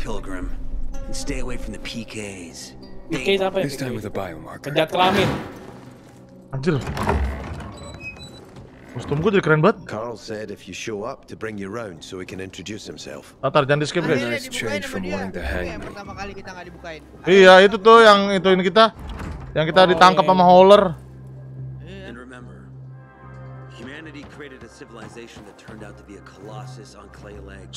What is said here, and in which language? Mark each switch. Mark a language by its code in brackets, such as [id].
[en] pilgrim, and stay away from the PKs. [id] PKs apa ya? Penjahat kelamin. Anjir. Kostum gue jadi keren banget. [en] Carl said if you show up to bring your own so he can introduce himself. [id] Atar jangan di skip guys. [en] Nice change from wanting to hang me. [id] Pertama kali kita enggak dibukain. Iya, itu tuh yang ituin kita. Yang kita ditangkap sama Howler. [en] And remember, humanity created a civilization that turned out to be a colossus on clay legs.